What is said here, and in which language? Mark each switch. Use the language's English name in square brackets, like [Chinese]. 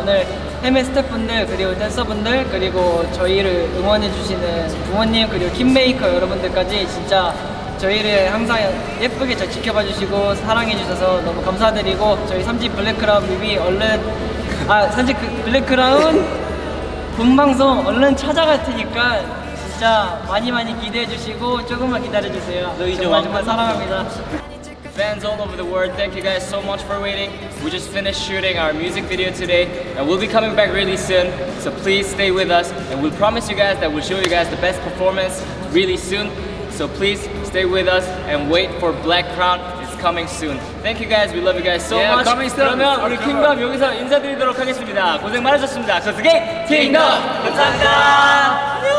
[Korean] 오늘 헤메 스태프분들, 그리고 댄서분들, 그리고 저희를 응원해주시는 부모님, 그리고 킴메이커 여러분들까지 진짜 저희를 항상 예쁘게 잘 지켜봐주시고 사랑해주셔서 너무 감사드리고, 저희 3집 블랙크라운 뮤비 얼른, 3집 블랙크라운 본방송 얼른 찾아갈 테니까 진짜 많이 많이 기대해주시고 조금만 기다려주세요. 정말 정말 사랑합니다. [English] Fans all over the world, thank you guys so much for waiting. We just finished shooting our music video today and we'll be coming back really soon, so please stay with us and we'll promise you guys that we'll show you guys the best performance really soon. So please stay with us and wait for Black Crown. It's coming soon. Thank you guys. We love you guys so yeah, much. [Korean] 그러면 우리 킹덤 여기서 인사드리도록 하겠습니다. 고생 많으셨습니다. 저스게 킹덤 감사합니다.